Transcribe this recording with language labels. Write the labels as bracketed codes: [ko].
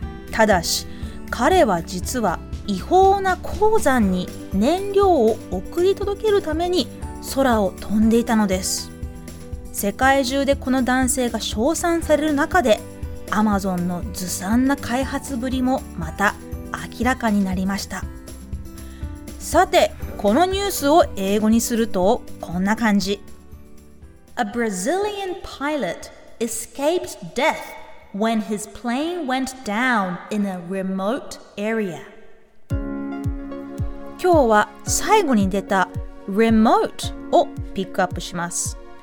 [ja] ただし彼は実は違法な鉱山に燃料を送り届けるために空を飛んでいたのです。世界中でこの男性が称賛される中で、アマゾンのずさんな開発ぶりもまた明らかになりました。さてこのニュースを英語にするとこんな感じ。 [en] A Brazilian pilot escaped death when his plane went down in a remote area。 [ja] 今日は最後に出た remote をピックアップします。